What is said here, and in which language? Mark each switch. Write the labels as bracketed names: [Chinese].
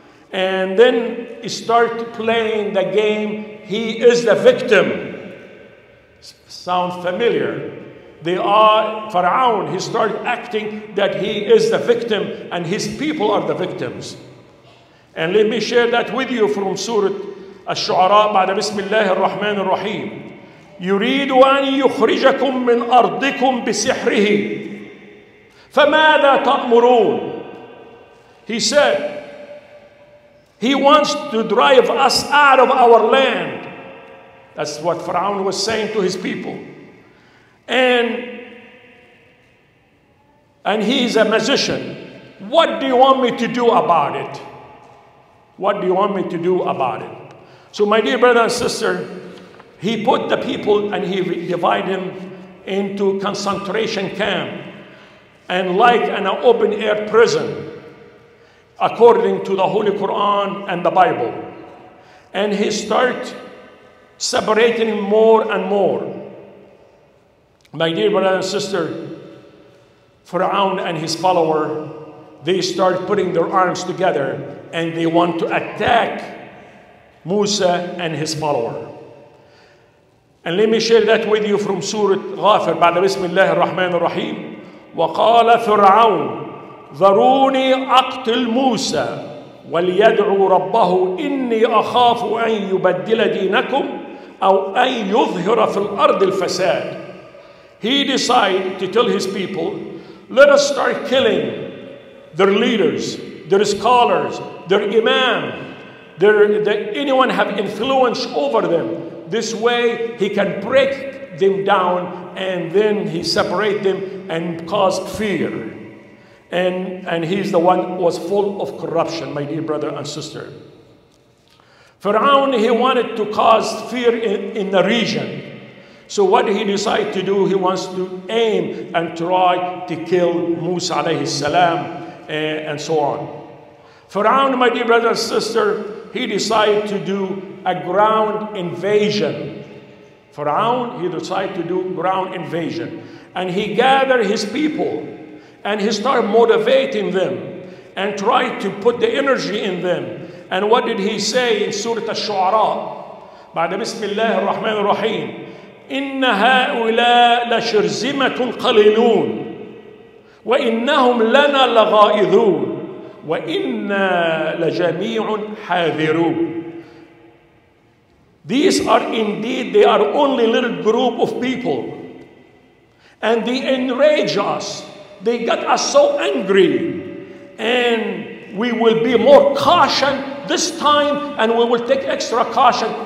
[English] And then he started playing the game, he is the victim. Sound familiar? Pharaoh, he started acting that he is the victim and his people are the victims. And let me share that with you from Surah Ash-Shu'ara, [Arabic] بعد بسم الله الرحمن الرحيم. يريد أن يخرجكم من أرضكم بسحره فماذا تأمرون. [English] He said, he wants to drive us out of our land. That's what Pharaoh was saying to his people. And he is a magician. What do you want me to do about it? What do you want me to do about it? So my dear brother and sister, he put the people and he divided them into concentration camp and like an open air prison, according to the Holy Quran and the Bible. And he start separating more and more. My dear brother and sister, Pharaoh and his follower, they start putting their arms together and they want to attack Musa and his follower. And let me share that with you from Surah Ghafir, [Arabic] بعد بسم الله الرحمن الرحيم. وقال فرعون ذروني أقتل موسى وليدعو ربه إني أخاف أن يبدل دينكم أو أن يظهر في الأرض الفساد. [English] He decided to tell his people, let us start killing their leaders, their scholars, their imam, anyone have influence over them. This way he can break them down and then he separate them and cause fear. And he's the one who was full of corruption, my dear brother and sister. Pharaoh, he wanted to cause fear in the region. So what he decided to do, he wants to aim and try to kill Musa alayhi salam and so on. Pharaoh, my dear brother and sister, he decided to do a ground invasion. Pharaoh, he decided to do ground invasion. And he gathered his people and he started motivating them and tried to put the energy in them. And what did he say in Surah Ash-Shu'ara? [Arabic] بعد بسم الله الرحمن الرحيم. إن هؤلاء لشرزمة قليلون وإنهم لنا لغائذون وَإِنَّا لَجَمِيعٌ حَاذِرُونَ. [English] These are indeed, they are only a little group of people. And they enrage us. They get us so angry. And we will be more caution this time and we will take extra caution.